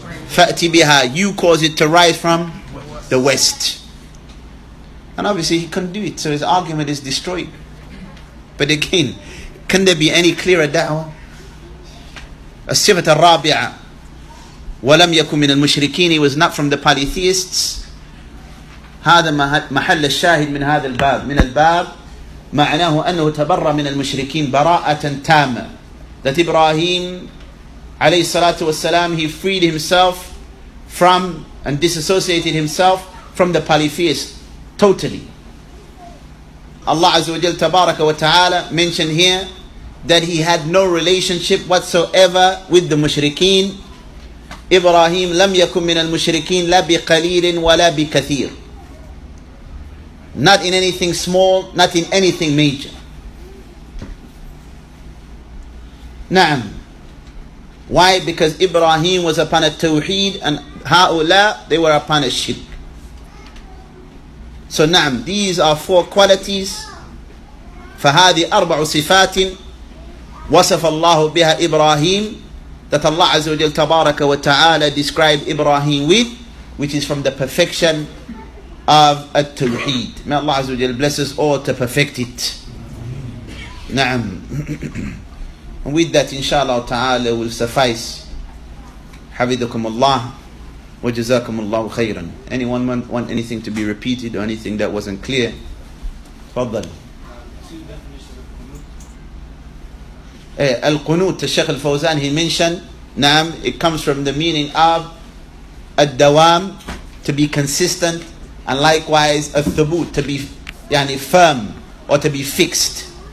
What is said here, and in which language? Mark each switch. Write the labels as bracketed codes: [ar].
[ar] فأتي بها, [en] you cause it to rise from the west. And obviously He couldn't do it, so His argument is destroyed. But again, can there be any clearer da'wah? [ar] الصفة الرابعة ولم يكن من المشركين, [en] he was not from the polytheists. [ar] هذا محل الشاهد من هذا الباب, من الباب معناه أنه تبرأ من المشركين براءة تامة. [en] That Ibrahim عليه الصلاة والسلام, he freed himself from and disassociated himself from the polytheists totally. Allah عز وجل تبارك وتعالى mentioned here that he had no relationship whatsoever with the mushrikeen. [ar] Ibrahim لم يكن من المشركين لا بقليل ولا بكثير. [en] Not in anything small, not in anything major. نعم. Why? Because Ibrahim was upon a tawheed and هؤلاء, they were upon a shirk. So نعم, these are four qualities. [ar] فهذه أربع صفات وصف الله بها إبراهيم, [en] that Allah عز وجل تبارك وتعالى described Ibrahim with, which is from the perfection of التوحيد. May Allah عز وجل bless us all to perfect it. نعم. And with that, inshallah ta'ala, will suffice. [ar] حفظكم الله وجزاكم الله خيرا. [en] Anyone want anything to be repeated or anything that wasn't clear? [ar] تفضل. [en] Al-Qunut, Sheikh Al-Fawzan, he mentioned, Naam, it comes from the meaning of Ad-Dawam, to be consistent, and likewise Al-Thubut, to be yani firm or to be fixed.